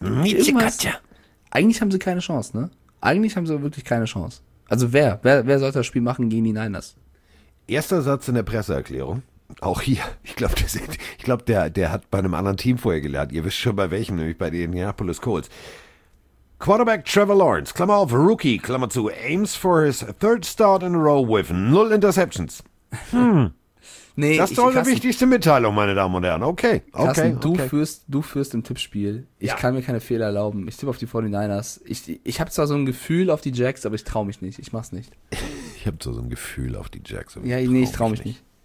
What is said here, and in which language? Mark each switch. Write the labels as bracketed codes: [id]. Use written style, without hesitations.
[de] nicht. Michikatja! Eigentlich haben sie keine Chance, ne? Eigentlich haben sie wirklich keine Chance. Also wer sollte das Spiel machen gegen die Niners? Erster Satz in der Presseerklärung. Auch hier. Ich glaube, der hat bei einem anderen Team vorher gelernt. Ihr wisst schon bei welchem, nämlich bei den Indianapolis Colts. [en] Quarterback Trevor Lawrence, [de] Klammer auf, [en] Rookie, [de] Klammer zu, [en] aims for his third start in a row with 0 interceptions. [de] Nee, das ist doch die wichtigste Mitteilung, meine Damen und Herren. Okay, okay. Carsten, du führst im Tippspiel. Ich kann mir keine Fehler erlauben. Ich tippe auf die 49ers. Ich habe zwar so ein Gefühl auf die Jacks, aber ich traue mich nicht. Ich mach's nicht. Ich habe zwar so ein Gefühl auf die Jacks, aber ich traue mich nicht.